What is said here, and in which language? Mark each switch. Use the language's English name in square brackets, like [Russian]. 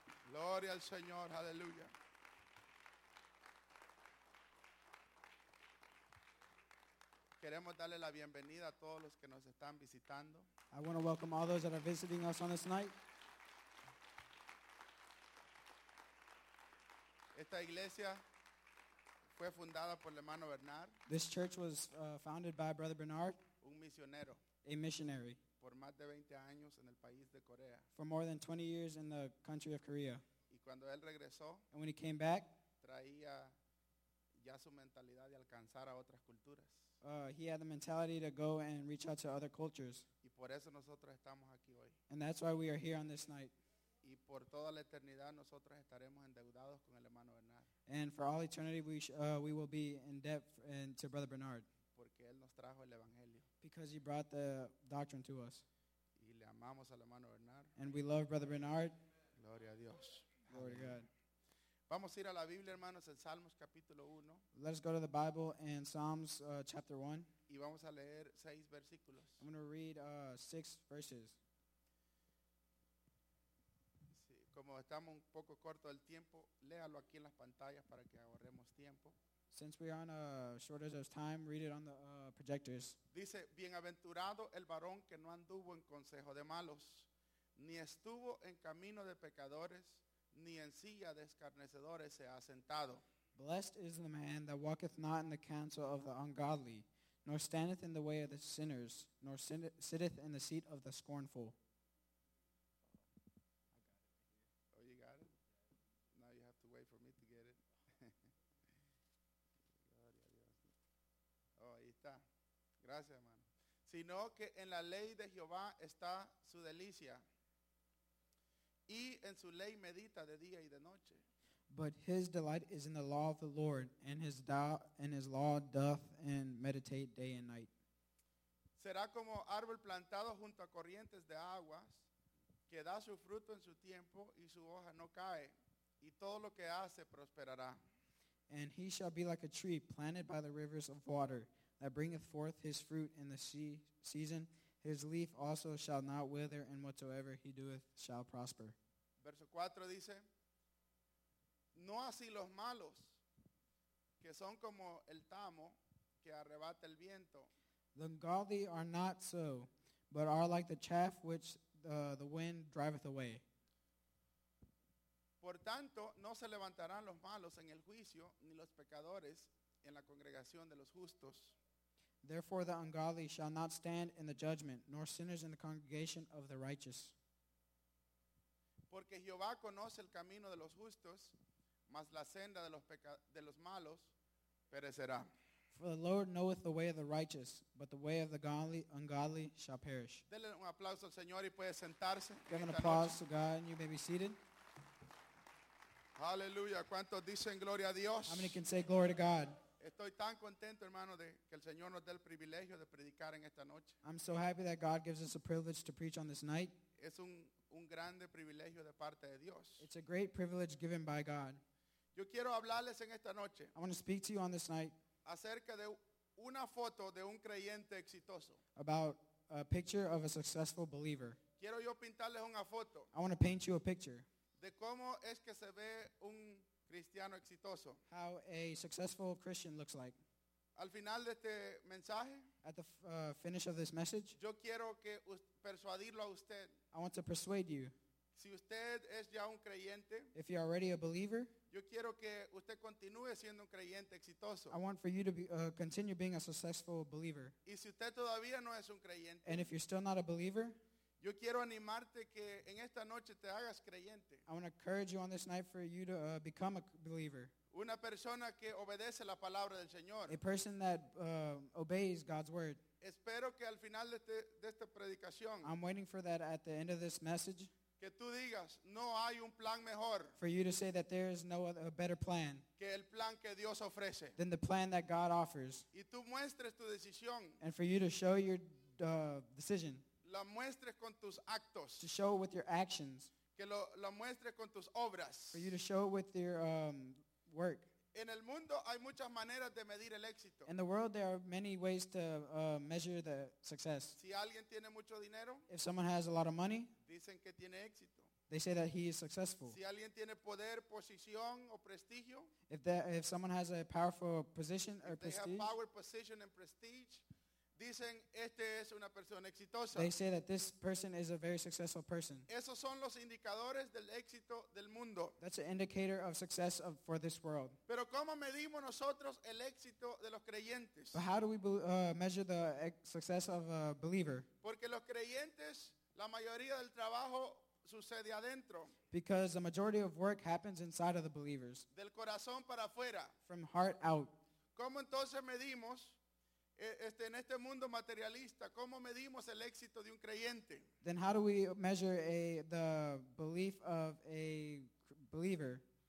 [Spanish] Gloria al Señor, aleluya. Queremos darle la bienvenida a todos los que nos están visitando. [English] I want to welcome all those that are visiting us on this night. [Spanish] Esta iglesia fue fundada por el hermano Bernard. [English] This church was founded by Brother Bernard. [Spanish] Un misionero. [English] A missionary. [Spanish] Por más de 20 años en el país de Corea. [English] For more than 20 years in the country of Korea. [Spanish] Y cuando él regresó. [English] And when he came back. [Spanish] Traía ya su mentalidad de alcanzar a otras culturas. [English] He had the mentality to go and reach out to other cultures. [Spanish] Y por eso nosotros estamos aquí hoy. [English] And that's why we are here on this night. [Spanish] Y por toda la eternidad nosotros estaremos endeudados con el hermano Bernard. [English] And for all eternity we will be in debt to Brother Bernard. [Spanish] Porque él nos trajo el evangelio. [English] Because he brought the doctrine to us. [Spanish] Y le amamos al hermano Bernard. [English] And we love Brother Bernard. [Spanish] Gloria a Dios. [English] Glory to God. [Spanish] Vamos a ir a la Biblia, hermanos, en Salmos capítulo 1. [English] Let's go to the Bible in Psalms chapter 1. [Spanish] Y vamos a leer 6 versículos. [English] I'm going to read 6 verses. [Spanish] Sí, como estamos un poco corto del tiempo, léalo aquí en las pantallas para que ahorremos tiempo. [English] Since we are on a shortage of time, read it on the projectors. [Spanish] Dice, bienaventurado el varón que no anduvo en consejo de malos, ni estuvo en camino de pecadores, ni en silla de escarnecedores se ha sentado. [English] Blessed is the man that walketh not in the counsel of the ungodly, nor standeth in the way of the sinners, nor sitteth in the seat of the scornful. I got it right here. Oh, you got it? Now you have to wait for me to get it. [Spanish] Gloria a Dios. Oh, ahí está. Gracias, hermano. Sino que en la ley de Jehová está su delicia. Y en su ley medita de día y de noche. [English] But his delight is in the law of the Lord, and his law doth and meditate day and night. [Spanish] Será como árbol plantado junto a corrientes de aguas, que da su fruto en su tiempo, y su hoja no cae, y todo lo que hace prosperará. [English] And he shall be like a tree planted by the rivers of water, that bringeth forth his fruit in the season. His leaf also shall not wither, and whatsoever he doeth shall prosper. [Spanish] Verso 4 dice, no así los malos, que son como el tamo que arrebata el viento. [English] The godly are not so, but are like the chaff which the wind driveth away. [Spanish] Por tanto, no se levantarán los malos en el juicio, ni los pecadores en la congregación de los justos. [English] Therefore the ungodly shall not stand in the judgment, nor sinners in the congregation of the righteous. [Spanish] Porque Jehová conoce el camino de los justos, mas la senda de los malos perecerá. [English] For the Lord knoweth the way of the righteous, but the way of the ungodly shall perish. [Spanish] Denle un aplauso al Señor y puede sentarse. [English] Give an applause to God and you may be seated. [Spanish] Aleluya. ¿Cuántos dicen gloria a Dios? [English] How many can say glory to God? [Spanish] Estoy tan contento, hermano, de que el Señor nos dé el privilegio de predicar en esta noche. [English] I'm so happy that God gives us a privilege to preach on this night. [Spanish] Es un grande privilegio de parte de Dios. [English] It's a great privilege given by God. [Spanish] Yo quiero hablarles en esta noche. [English] I want to speak to you on this night. [Spanish] Acerca de una foto de un creyente exitoso. [English] About a picture of a successful believer. [Spanish] Quiero yo pintarles una foto. [English] I want to paint you a picture. [Spanish] De cómo es que se ve un cristiano exitoso. [English] How a successful Christian looks like. [Spanish] Al final de este mensaje, [English] at the finish of this message, [Spanish] yo quiero que persuadirlo a usted. [English] I want to persuade you. [Spanish] Si usted es ya un creyente, [English] if you're already a believer, [Spanish] yo quiero que usted continúe siendo un creyente exitoso. [English] I want for you to continue being a successful believer. [Spanish] Y si usted todavía no es un creyente, [English] and if you're still not a believer, [Spanish] Yo quiero animarte que en esta noche te hagas creyente. [English] I want to encourage you on this night for you to become a believer. [Spanish] Una persona que obedece la palabra del Señor. [English] A person that obeys God's word. [Spanish] Espero que al final de esta predicación. [English] I'm waiting for that at the end of this message. [Spanish] Que tú digas, no hay un plan mejor. [English] For you to say that there is no other, a better plan. [Spanish] Que el plan que Dios ofrece. [English] Than the plan that God offers. [Spanish] Y tú muestres tu decisión. [English] And for you to show your decision. [Spanish] La muestres con tus actos. [English] To show with your actions. [Spanish] Que lo muestres con tus obras. [English] For you to show with your work. [Spanish] En el mundo hay muchas maneras de medir el éxito. [English] In the world there are many ways to measure the success. [Spanish] Si alguien tiene mucho dinero, [English] if someone has a lot of money, [Spanish] dicen que tiene éxito. [English] They say that he is successful. [Spanish] Si alguien tiene poder, posición o prestigio, [English] if someone has a powerful position or prestige, they have power, position and prestige, [Spanish] dicen este es una persona exitosa. [English] They say that this person is a very successful person. [Spanish] Esos son los indicadores del éxito del mundo. [English] That's an indicator of success for this world. [Spanish] Pero ¿cómo medimos nosotros el éxito de los creyentes? [English] But how do we measure the success of a believer? [Spanish] Porque los creyentes, la mayoría del trabajo sucede adentro. [English] Because the majority of work happens inside of the believers. [Spanish] Del corazón para afuera. [English] From heart out. [Spanish] ¿Cómo entonces medimos en este mundo materialista, cómo medimos el éxito de un creyente? [English] Then how do we measure the belief of a believer?